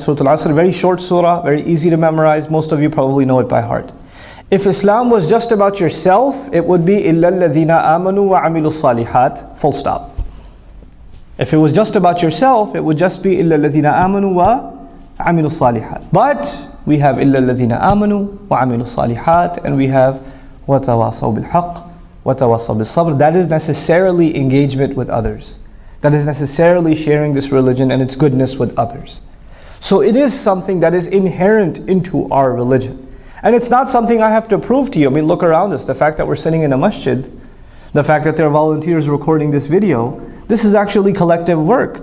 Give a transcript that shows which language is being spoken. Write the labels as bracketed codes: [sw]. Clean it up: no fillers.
[en] Surah Al-Asr, very short surah, very easy to memorize. Most of you probably know it by heart. If Islam was just about yourself, it would be [ar] إِلَّا الَّذِينَ آمَنُوا وَعَمِلُوا الصَّالِحَاتِ [en] full stop. If it was just about yourself, it would just be [ar] إِلَّا الَّذِينَ آمَنُوا وَعَمِلُوا الصَّالِحَاتِ. [en] But we have [ar] إِلَّا الَّذِينَ آمَنُوا وَعَمِلُوا الصَّالِحَاتِ, [en] and we have [ar] وَتَوَاصَوْا بِالْحَقِّ وَتَوَاصَوْا بِالصَّبْرِ. [en] That is necessarily engagement with others. That is necessarily sharing this religion and its goodness with others. So it is something that is inherent into our religion. And it's not something I have to prove to you. I mean, look around us. The fact that we're sitting in a masjid, the fact that there are volunteers recording this video, this is actually collective work.